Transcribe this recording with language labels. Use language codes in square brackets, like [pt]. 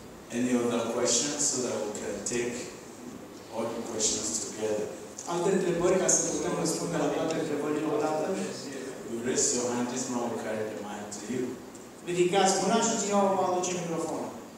[en] Any other questions so that we can take all the questions together. [ro] alte întrebări ca să putem răspunde la toate întrebările odată? [en] You raise your hand, this man will carry the mic to you. [ro] Ridicați mâna și ține-o va aduce microfonul.